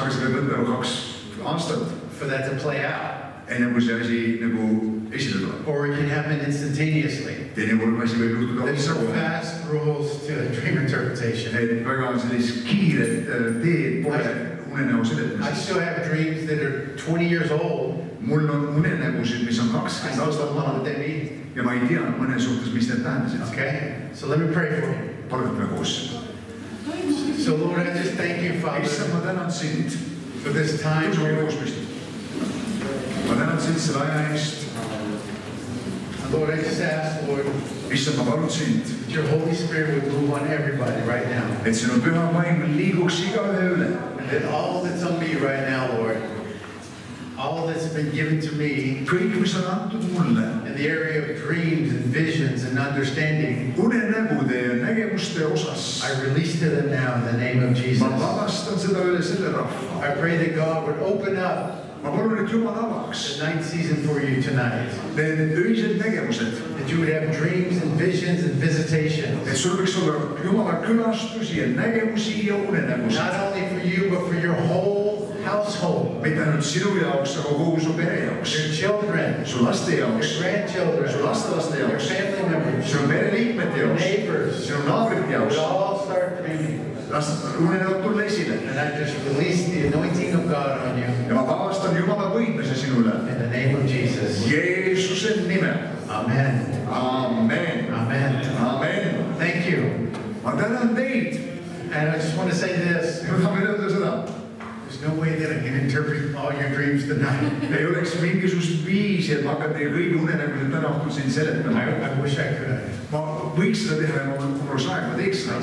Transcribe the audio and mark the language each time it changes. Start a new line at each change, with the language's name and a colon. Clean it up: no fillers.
Estonian: Aga see võib võtta kaks aastat.
English: For that to play out.
Estonian: Enne kui see asi nagu esitada.
English: Or it can happen instantaneously.
Estonian: Teine kolm asi võib juhtuda otsa.
English: There's some fast rules to the dream interpretation.
Estonian: Et väga on sellist kiire teed pole unenäo seletamiseks.
English: I still have dreams that are 20 years old.
Estonian: Mul on unenägusid, mis on 20 aastat vanad. Ja ma ei tea mõne suhtes, mis need tähendasid.
English: Okay, so let me pray for you.
Estonian: Palun me koos.
English: So Lord, I just thank you, Father.
Estonian: Issa, ma tänan sind.
English: For this time.
Estonian: Kutsu me koos, mis nüüd. Ma tänan sind seda ajanist.
English: Lord, I just ask, Lord.
Estonian: Issa, ma palud sind.
English: Your Holy Spirit would move on everybody right now.
Estonian: Et sinu püha vaim liiguks igale üle.
English: That all that's on me right now, Lord, all that's been given to me,
Estonian: kõik, mis on antud mulle,
English: in the area of dreams and visions and understanding,
Estonian: unenägude ja nägemuste osas,
English: I release to them now in the name of Jesus.
Estonian: Ma vabastan seda üle selle rahva.
English: I pray that God would open up
Estonian: ma palun, et Jumal avaks
English: the ninth season for you tonight.
Estonian: Need öised nägemused.
English: That you would have dreams and visions and visitations.
Estonian: Et sul võiks olla Jumala külastusi ja nägemusi ja unenägusi.
English: Not only for you, but for your whole household.
Estonian: Mitte ainult sinu jaoks, aga kogu su pere jaoks.
English: Your children.
Estonian: Su laste jaoks.
English: Your grandchildren.
Estonian: Su lastelaste jaoks.
English: Your family members.
Estonian: Su pere liikmete jaoks.
English: Your neighbors.
Estonian: Su naabrite jaoks.
English: We all start dreaming. And I just release the anointing of God on you.
Estonian: Ja ma vabastan Jumala võimese sinule.
English: In the name of Jesus.
Estonian: Jeesuse nime.
English: Amen. Amen. Amen. Amen. Thank you.
Estonian: Ma tänan teid.
English: And I just want to say this.
Estonian: Ma tahan öelda seda.
English: There's no way that I can interpret all your dreams tonight.
Estonian: Ei oleks mingisugust viisi, et ma hakkan teie kõige unenägude täna õhtul siin seletama.
English: I wish I could.
Estonian: Ma võiks seda teha ja ma olen kumrus aeg, ma teeks seda.